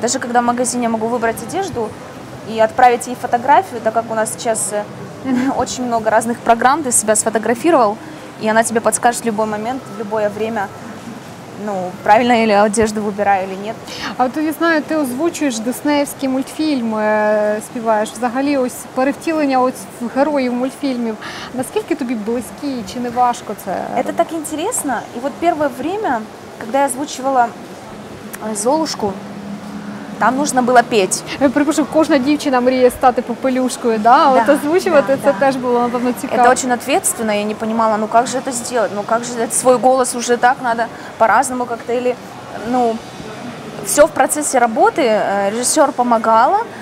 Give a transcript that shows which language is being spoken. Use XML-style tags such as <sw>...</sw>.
<ru>Даже когда в магазине я могу выбрать одежду и отправить ей фотографию, так как у нас сейчас очень много разных программ, ты себя сфотографировал, и она тебе подскажет в любой момент, в любое время, ну, правильно или одежду выбираю, или нет. А вот я знаю, ты озвучуешь диснеевские мультфильмы, співаешь.</ru> <uk>Взагалі, ось перевтілення ось</uk> <ru>в героев мультфильмов.</ru> <uk>Наскільки тобі близькі, чи не важко це?</uk> <ru>Это так интересно. И вот первое время, когда я озвучивала Золушку, там нужно было петь.</ru> <uk>Я припишу, кожна дівчина мріє стати попелюшкою, да?</uk> <ru>Да, вот озвучивать, да, это да. Теж было,</ru> <uk>напевно, цікаво.</uk> <ru>Это очень ответственно, я не понимала, ну как же это сделать? Ну как же это, свой голос уже так надо по-разному как-то или... Ну, все в процессе работы, режиссер помогала.</ru>